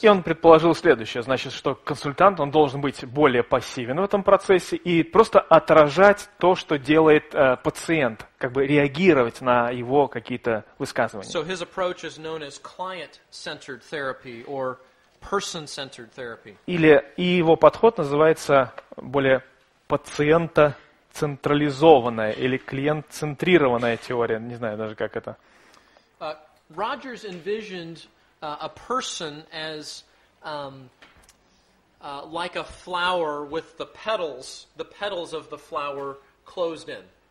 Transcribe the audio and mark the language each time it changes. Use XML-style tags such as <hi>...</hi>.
<ru>И он предположил следующее, значит, что консультант, он должен быть более пассивен в этом процессе и просто отражать то, что делает пациент, как бы реагировать на его какие-то высказывания.</ru> <en>So his approach is known as client-centered therapy or person-centered therapy.</en> <ru>Или и его подход называется более пациента-централизованная или клиент-центрированная теория, не знаю даже как это.</ru> <en>Rogers envisioned a person as like a flower with the petals of the flower closed in.</en>